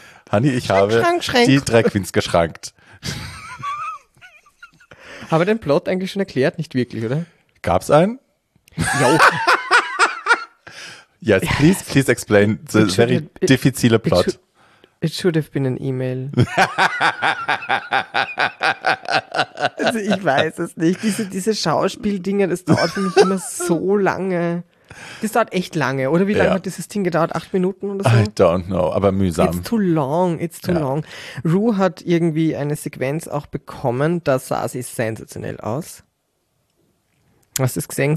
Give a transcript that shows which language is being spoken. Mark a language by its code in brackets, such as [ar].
[de] Henny, ich habe die Drag Queens geschrankt. Haben wir den Plot eigentlich schon erklärt? Nicht wirklich, oder? Gab's einen? Jo. [en] Yes, please explain the very difficile Plot. It should have been an email. [de] Also ich weiß es nicht. Diese Schauspieldinger, das dauert für mich immer so lange. Das dauert echt lange, oder? Wie lange hat dieses Ding gedauert? 8 Minuten oder so? [en] I don't know, aber mühsam. It's too long. [de] Rue hat irgendwie eine Sequenz auch bekommen, da sah sie sensationell aus. Hast du es gesehen?